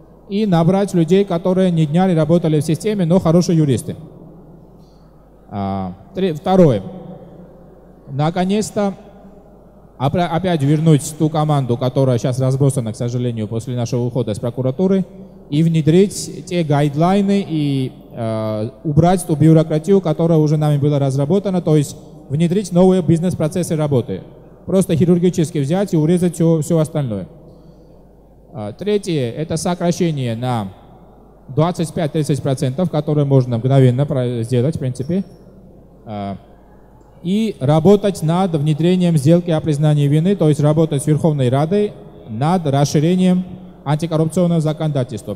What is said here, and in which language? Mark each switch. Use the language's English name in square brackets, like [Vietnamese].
[Russian] И набрать людей, которые ни дня не работали в системе, но хорошие юристы. Второе. Наконец-то опять вернуть ту команду, которая сейчас разбросана, к сожалению, после нашего ухода с прокуратуры, [Ukrainian] і внедрить ті гайдлайни і убрати ту бюрократію, яка вже нами була розроблена, тобто внедрить нові бізнес-процеси роботи. Просто хірургічно взяти і урізати все остальное. [Russian] Третє – это сокращение на 25-30%, которое можно мгновенно сделать, в принципе, и работать над внедрением сделки о признании вины, то есть работать с Верховной Радой над расширением антикоррупционного законодательства.